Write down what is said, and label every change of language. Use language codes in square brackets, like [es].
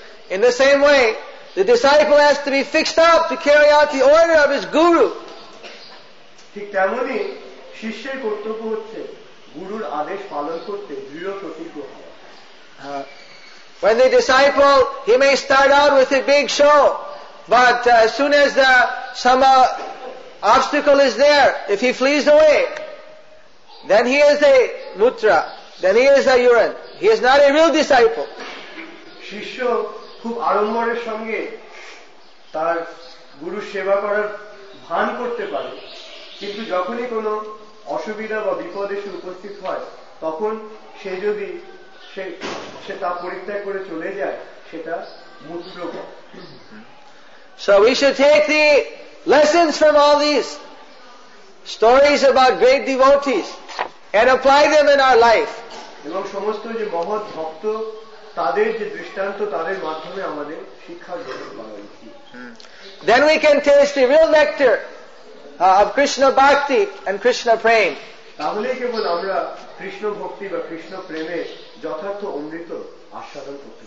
[en] In the same way, the disciple has to be fixed up to carry out the order of his guru. [bn] ঠিক তেমনই শিষ্যের কর্তব্য হচ্ছে গুরুর আদেশ পালন করতে দৃঢ় প্রতিজ্ঞ হওয়া। [en] When the disciple, he may start out with a big show, but as soon as the some obstacle is there, if he flees away, then he is a mutra, then he is a urine. He is not a real disciple. [bn] শিষ্য খুব আড়ম্বরের সঙ্গে তার গুরুর সেবা করার ভান করতে পারে কিন্তু যখনই কোন অসুবিধা বা বিপদে সে উপস্থিত হয় তখন সে যদি সে তা পরিত্যাগ করে চলে যায় সেটা মূত্র। [en] So we should take the lessons from all these stories about great devotees and apply them in our life. [bn] এবং সমস্ত যে মহৎ ভক্ত তাদের যে দৃষ্টান্ত তাদের মাধ্যমে আমাদের শিক্ষা গ্রহণ করা উচিত। [en] Then we can taste the real nectar of Krishna Bhakti and Krishna Prema. [bn] তাহলেই কেবল আমরা কৃষ্ণ ভক্তি বা কৃষ্ণ প্রেমে যথার্থ অমৃত আস্বাদন করতে